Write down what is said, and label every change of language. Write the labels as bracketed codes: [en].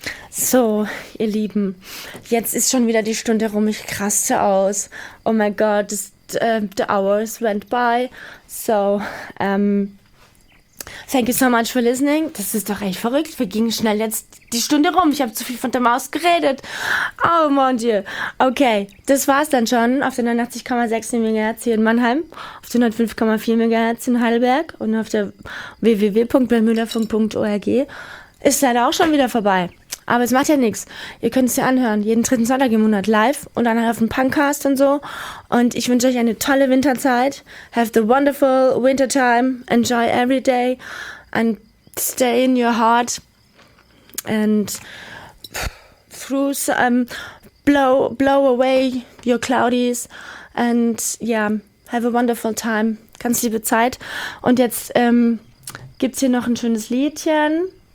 [de] So, ihr Lieben, jetzt ist schon wieder die Stunde rum, ich raste aus. [en] Oh my God, the hours went by. So, thank you so much for listening. [de] Das ist doch echt verrückt. Wir gingen schnell jetzt die Stunde rum. Ich habe zu viel von der Maus geredet. [fr] Oh, mon Dieu. [de] Okay, das war's dann schon auf der 89,6 MHz hier in Mannheim, auf der 105,4 MHz in Heidelberg und auf der www.bernmüllerfunk.org. Ist leider auch schon wieder vorbei. Aber es macht ja nichts. Ihr könnt es ja anhören. Jeden dritten Sonntag im Monat live und dann auf dem Punkcast und so. Und ich wünsche euch eine tolle Winterzeit. [en] Have the wonderful winter time. Enjoy every day. And stay in your heart. And through some, blow away your cloudies and yeah, have a wonderful time. [de] Ganz liebe Zeit. Und jetzt gibt es hier noch ein schönes Liedchen.